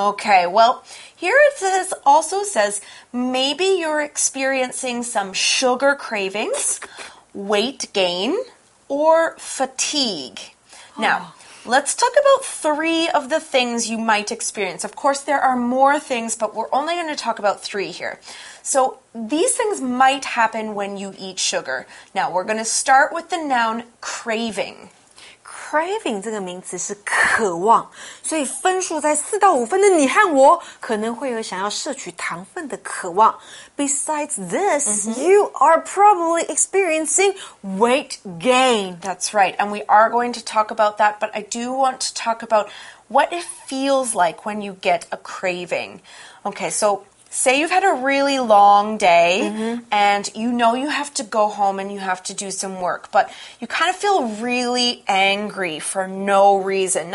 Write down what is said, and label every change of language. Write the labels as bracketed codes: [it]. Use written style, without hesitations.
[en] Okay, well, here it says, also says, maybe you're experiencing some sugar cravings, weight gain, or fatigue. Now, let's talk about three of the things you might experience. Of course, there are more things, but we're only going to talk about three here. So these things might happen when you eat sugar. Now, we're going to start with the noun craving. [zh] Craving 这个名词是渴望，所以分数在四到五分的你和我可能会有想要摄取糖分的渴望。 [en] Besides this, you are probably experiencing weight gain. That's right, and we are going to talk about that, but I do want to talk about what it feels like when you get a craving. Okay, so say you've had a really long day, and you know you have to go home and you have to do some work, but you kind of feel really angry for no reason.